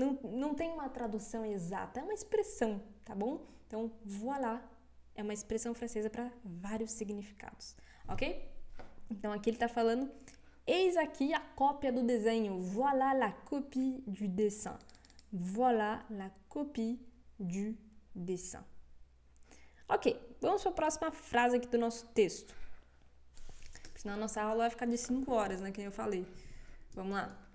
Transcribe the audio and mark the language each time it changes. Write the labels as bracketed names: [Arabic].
[Portuguese] Não tem uma tradução exata, é uma expressão, tá bom? Então, voilà é uma expressão francesa para vários significados, ok? Então, aqui ele tá falando, eis aqui a cópia do desenho, [French] voilà la copie du dessin. Voilà la copie du dessin. [Portuguese] Ok, vamos para a próxima frase aqui do nosso texto. Senão a nossa aula vai ficar de 5 horas, né? Que nem eu falei. Vamos lá.